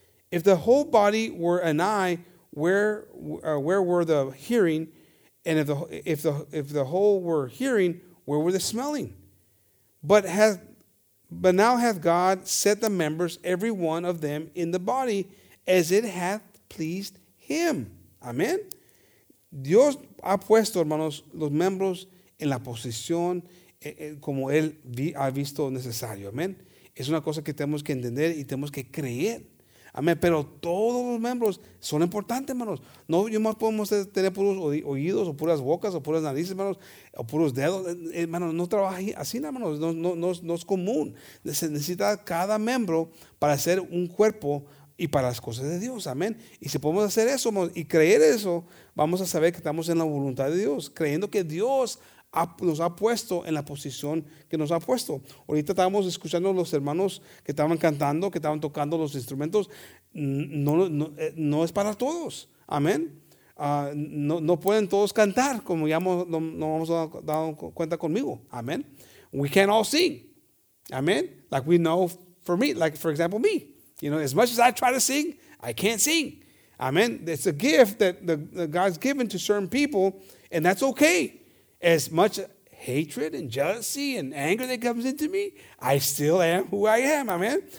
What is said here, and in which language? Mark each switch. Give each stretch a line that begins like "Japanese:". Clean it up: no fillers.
English: If the whole body were an eye, where were the hearing? And if the whole were hearing, where were the smelling? But now hath God set the members, every one of them, in the body, as it hath pleased him. Amen.
Spanish: Dios ha puesto, hermanos, los miembros en la posición como él ha visto necesario. Amen. Es una cosa que tenemos que entender y tenemos que creer. Amén. Pero todos los miembros son importantes, hermanos. No, yo más podemos tener puros oídos o puras bocas o puras narices, hermanos, o puros dedos. Hermanos, no trabaja así, hermanos. No es común. Se necesita cada miembro para hacer un cuerpo y para las cosas de Dios. Amén. Y si podemos hacer eso, hermanos, y creer eso, vamos a saber que estamos en la voluntad de Dios, creyendo que Dios nos ha puesto en la posición que nos ha puesto. Ahorita estábamos escuchando a los hermanos que estaban cantando, que estaban tocando los instrumentos. No es para todos. Amén. No pueden todos cantar, como ya nos hemos dado cuenta conmigo.
English: Amén. We can't all sing. Amén. Like we know for me, like for example me. You know, as much as I try to sing, I can't sing. Amén. It's a gift that God's given to certain people, and that's okay. As much hatred and jealousy and anger that comes into me, I still am who I am, amen?